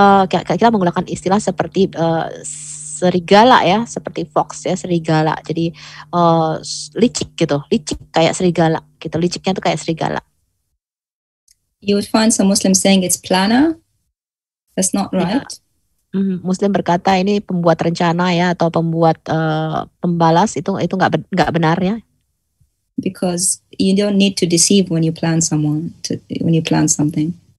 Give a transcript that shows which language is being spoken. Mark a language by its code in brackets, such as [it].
[id] Kita menggunakan istilah seperti serigala ya, seperti fox ya, serigala. Jadi licik gitu, licik kayak serigala gitu, liciknya itu kayak serigala. [en] You would find some Muslims saying it's planner. That's not right. Yeah. [id] Muslim berkata ini pembuat rencana ya, atau pembuat pembalas, itu enggak benar ya. [en] Because you don't need to deceive when you plan when you plan something.